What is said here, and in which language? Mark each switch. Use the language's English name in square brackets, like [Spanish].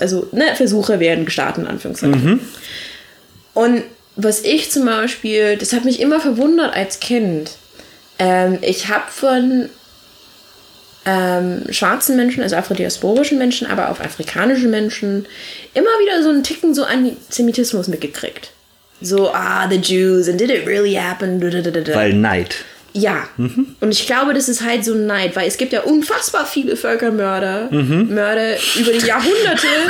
[German] Also ne, Versuche werden gestartet, in Anführungszeichen. Mhm. Und was ich zum Beispiel, das hat mich immer verwundert als Kind, ich habe von schwarzen Menschen, also afrodiasporischen Menschen, aber auch afrikanischen Menschen, immer wieder so einen Ticken so Antisemitismus mitgekriegt. [English] So, ah, the Jews, and did it really happen? [German] Weil Neid. Ja, und ich glaube, das ist halt so ein Neid, weil es gibt ja unfassbar viele Völkermörder, Mörder über die Jahrhunderte.